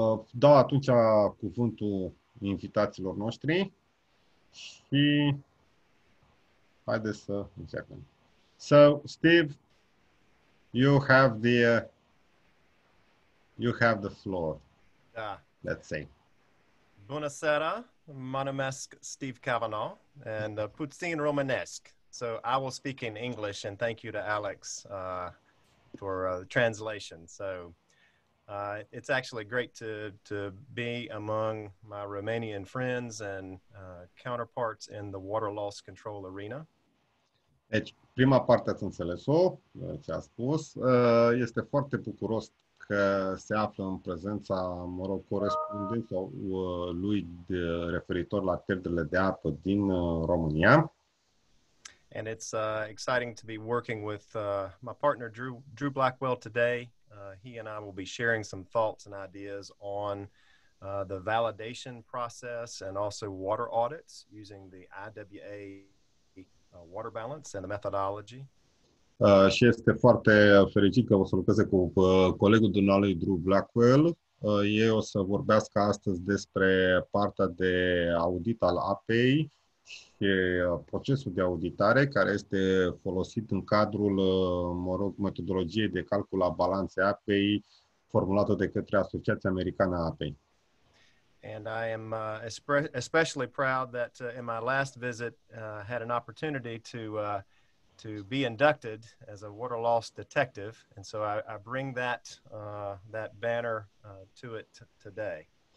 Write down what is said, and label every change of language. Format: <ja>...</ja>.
<ro>Dau atunci cuvântul invitaților noștri și haideți să începem.</ro> <en>So, Steve, you have the floor,</en> <ro>Da.</ro> <en>let's say.</en> <ro>Bună seara, mă numesc Steve Cavanaugh and puțin românesc.</ro> <en>So I will speak in English and thank you to Alex for the translation. So it's actually great to be among my Romanian friends and counterparts in the water loss control arena.</en> <ro>Deci, prima parte ați înțeles-o, ce a spus. Este foarte bucuros că se află în prezența, mă rog, corespondenței lui referitor la pierderile de apă din România.</ro> <en>And it's exciting to be working with my partner Drew Blackwell today. He and I will be sharing some thoughts and ideas on the validation process and also water audits using the IWA water balance and the methodology.</en> <ro>Și este foarte fericit că o să lucreze cu colegul dumnealui Drew Blackwell. Ei o să vorbească astăzi despre partea de audit al apei și procesul de auditare care este folosit în cadrul, mă rog, metodologiei de calcul a balanței apei formulată de către Asociația Americană a Apei.</ro> <en>And I am especially proud that in my last visit I had an opportunity to be inducted as a water loss detective, and so I bring that banner to it today.</en>